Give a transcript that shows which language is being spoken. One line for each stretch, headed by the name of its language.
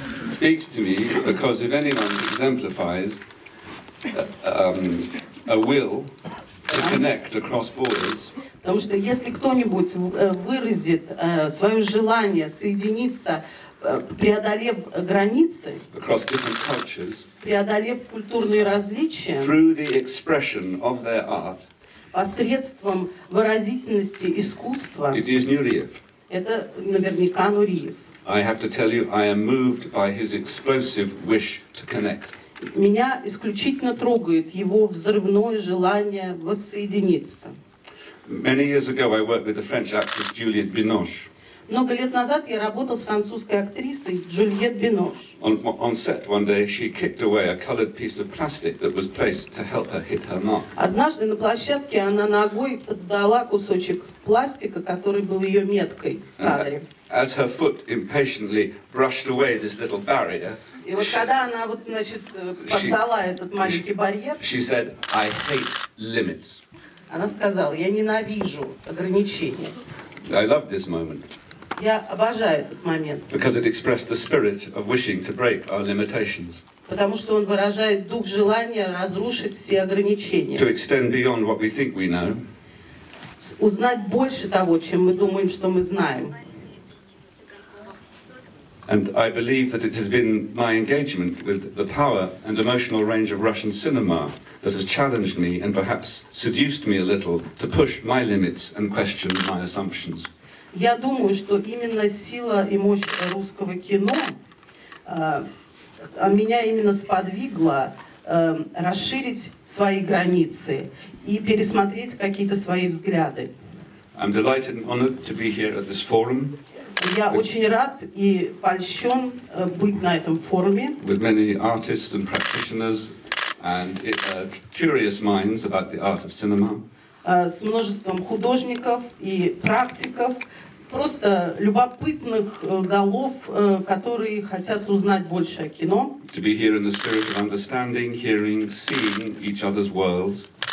English: Speaks to me because if anyone exemplifies a will to connect across borders.
Russian: Потому что если кто-нибудь выразит свое желание соединиться, преодолев границы,
English: across different cultures,
Russian: преодолев культурные различия,
English: through the expression of their art,
Russian: посредством выразительности искусства,
English: it is Nureyev.
Russian: Это наверняка Нуриев.
English: I have to tell you, I am moved by his explosive wish to connect.
Russian: Меня исключительно трогает его взрывное желание воссоединиться.
English: Many years ago, I worked with the French actress Juliette Binoche.
Russian: Много лет назад я работал с французской актрисой Джульет Бинош.
English: On set one day, she kicked away a colored piece of plastic that was placed to help her hit her mark.
Russian: Однажды на площадке она ногой поддала кусочек пластика, который был ее меткой в кадре.
English: As her foot impatiently brushed away this little barrier,
Russian: и вот когда она вот, значит, поддала этот маленький барьер,
English: she said, "I hate limits."
Russian: Она сказала, я ненавижу ограничения.
English: I love this moment.
Russian: Я обожаю этот момент.
English: Because it expressed the spirit of wishing to break our limitations.
Russian: Потому что он выражает дух желания разрушить все ограничения.
English: To extend beyond what we think we know.
Russian: Узнать больше того, чем мы думаем, что мы знаем.
English: And I believe that it has been my engagement with the power and emotional range of Russian cinema that has challenged me and perhaps seduced me a little to push my limits and question my assumptions.
Russian: Я думаю, что именно сила и мощь русского кино меня именно сподвигла расширить свои границы и пересмотреть какие-то свои взгляды.
English: I'm delighted and honored to be here at this forum.
Russian: я очень рад и польщен быть на этом форуме.
English: With many artists and practitioners and curious minds about the art of cinema.
Russian: С множеством художников и практиков, просто любопытных голов, которые хотят узнать больше о кино.
English: To be here in the spirit of understanding, hearing, seeing each other's worlds.